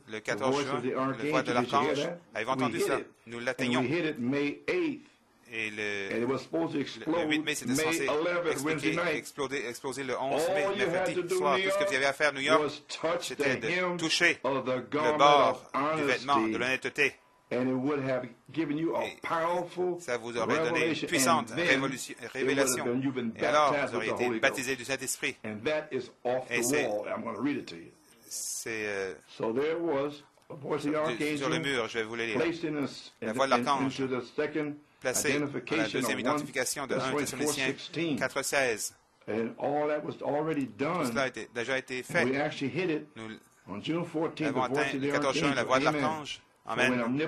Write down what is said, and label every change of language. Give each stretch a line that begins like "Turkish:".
French: le 14 juin, le voix de l'archange. Avez-vous entendu ça? Nous l'atteignons.
English: And we hit it May 8th,
French: et
English: and it was supposed to explode
French: le 8 mai, c'était censé exploser le 11 mai, mercredi soir. Tout ce que vous avez à faire, New York, c'était de toucher le bord du vêtement de l'honnêteté.
English: And it would have given you a powerful
French: ça vous aurait donné une puissante révélation. Et alors, vous auriez été baptisé du Saint-Esprit.
English: And that is off the wall. I'm going to read it to you. So there was a voice of the archangel
French: sur le mur, je vais vous le lire. La voix de l'archange placée dans la deuxième identification de 1 Thessaloniciens 4:16.
English: And all that was already done.
French: Tout cela a déjà été fait.
English: We actually hit it.
French: Nous avons atteint le 14 juin la voix de l'archange. Amen.